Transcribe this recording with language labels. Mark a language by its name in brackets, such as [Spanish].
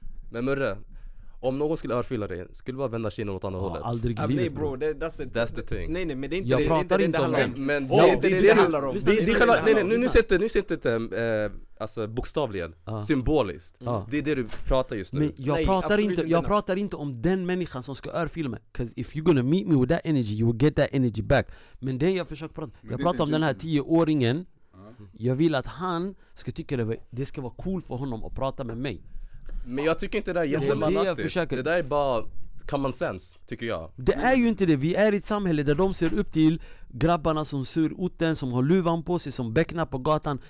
[Swedish] Men Murre, om någon skulle örfylla dig, skulle du bara vända kinen åt andra hållet? Aldrig livet. Nej, bro. [English] That's the thing. [Swedish] Nej, men det är inte jag det. Jag pratar inte om det. Men det är det det handlar om. Nu sitter inte bokstavligen. Symboliskt. Det är det du pratar just nu. Men jag pratar inte om den människan som ska örfylla mig. [English] Because if you're gonna meet me with that energy, you will get that energy back. [Swedish] Men det jag försöker prata om. Jag pratar om den här 10-åringen. Jag vill att han ska tycka att det ska vara cool för honom att prata med mig. Men jag tycker inte det är jättemannaktigt. Det där är bara common sense, tycker jag. Det är ju inte det. Vi är i ett samhälle där de ser upp till grabbarna som ser ut den, som har luvan på sig, som bäcknar på gatan.